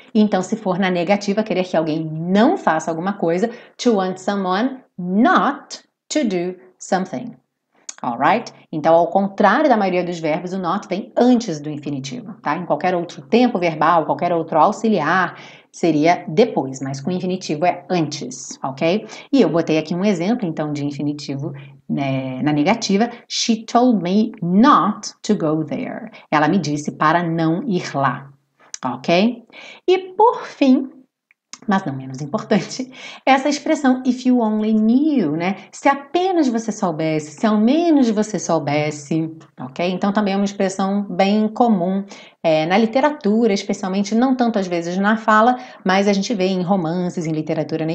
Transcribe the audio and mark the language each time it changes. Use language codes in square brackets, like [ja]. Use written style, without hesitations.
[pt] Então, se for na negativa, querer que alguém não faça alguma coisa, to want someone not to do something. Alright? Então, ao contrário da maioria dos verbos, o not vem antes do infinitivo, tá? Em qualquer outro tempo verbal, qualquer outro auxiliar, seria depois, mas com infinitivo é antes, ok? E eu botei aqui um exemplo, então, de infinitivo, né, na negativa. [en] She told me not to go there. [pt] Ela me disse para não ir lá, ok? E por fim, mas não menos importante, essa expressão if you only knew, né? Se apenas você soubesse, se ao menos você soubesse, ok? Então também é uma expressão bem comum na literatura, especialmente não tanto às vezes na fala, mas a gente vê em romances, em literatura, né?